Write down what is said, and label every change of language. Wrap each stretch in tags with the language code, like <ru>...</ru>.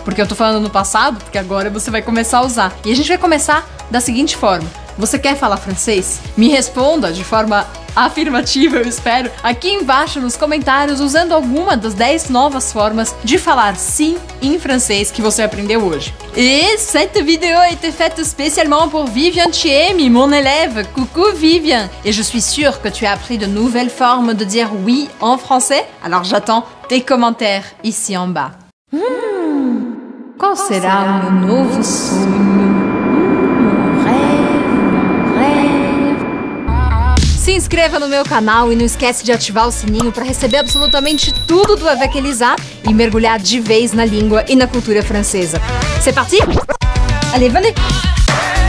<pt>Porque eu tô falando no passado, porque agora você vai começar a usar. E a gente vai começar da seguinte forma. Você quer falar francês? Me responda de forma afirmativa, eu espero, aqui embaixo nos comentários, usando alguma das 10 novas formas de falar sim em francês que você aprendeu hoje.</pt> <fr>E cette vidéo a été faite spécialement pour Vivian Thiemi, mon élève. Coucou Vivian! Et je suis sûre que tu as appris de nouvelles formes de dire oui en français. Alors j'attends tes commentaires ici en bas. Quand sera mon nouveau sonho?</fr> <pt>Se inscreva no meu canal e não esquece de ativar o sininho para receber absolutamente tudo do Avec Elisa e mergulhar de vez na língua e na cultura francesa.</pt> <fr>C'est parti? Allez, venez!</fr>